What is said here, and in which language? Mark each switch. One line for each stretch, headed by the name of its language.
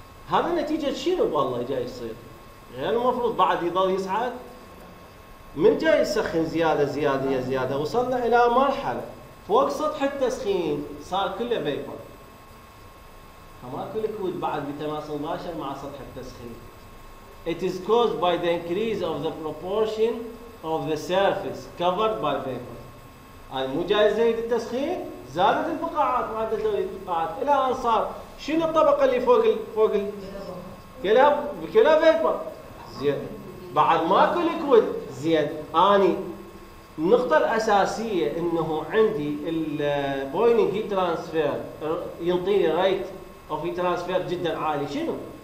Arabic: هذا نتيجه شنو والله جاي يصير؟ غير المفروض بعد يضل يصعد من جاي يسخن زياده زياده يا زياده وصلنا الى مرحله فوق سطح التسخين صار كله فيبر فماكو ليكويد بعد بتماس مباشر مع سطح التسخين
English: It is caused by the increase of the proportion of the surface covered by vapor.
Arabic: مو جايز زي التسخين زادت البقاعات معدل توليد البقاعات الى ان صار شنو الطبقه اللي فوق فوق كلها فيبر زين بعد ماكو ليكويد زين اني النقطه الاساسيه انه عندي البوينج هيت ترانسفير ينطيني رايت اوف هيت ترانسفير جدا عالي شنو؟